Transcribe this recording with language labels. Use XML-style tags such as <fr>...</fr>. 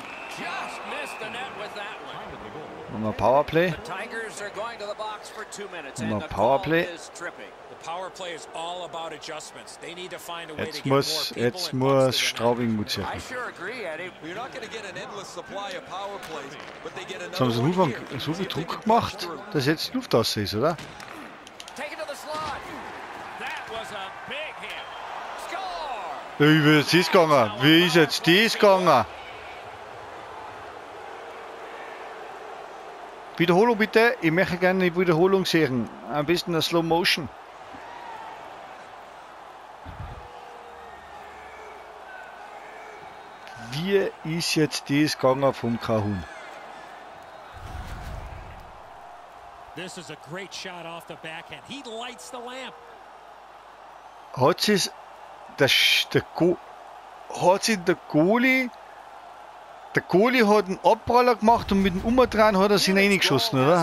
<en>Just missed the net with that one.</en> <de>Und ein Powerplay.</de> <en>The Tigers are going to the box for 2 minutes,</en> <de>und</de> <en>and the Powerplay. Call is tripping. The power play is all about adjustments. They need to find a way</en> <de>jetzt</de> <en>to get more people.</en> <de>Jetzt muss Straubing gut sein.</de> <en>I sure agree, Eddie. You're not going to get an endless supply of power plays, but they get another.</en> <de>Haben sie so viel Druck gemacht, dass jetzt Luft aus ist, oder?</de> <en>Take it to the slot. That was a big hit. Score!</en> <de>Wie ist dies gegangen? Wiederholung bitte. Ich möchte gerne eine Wiederholung sehen. Ein bisschen eine Slow Motion. Wie ist jetzt das gegangen vom Cahun?</de> <en>This is a great shot off the backhand. He lights the lamp.</en> <de>Hat sich der Goalie hat einen Abpraller gemacht und mit dem Umdrehen hat er sich reingeschossen, oder?</de>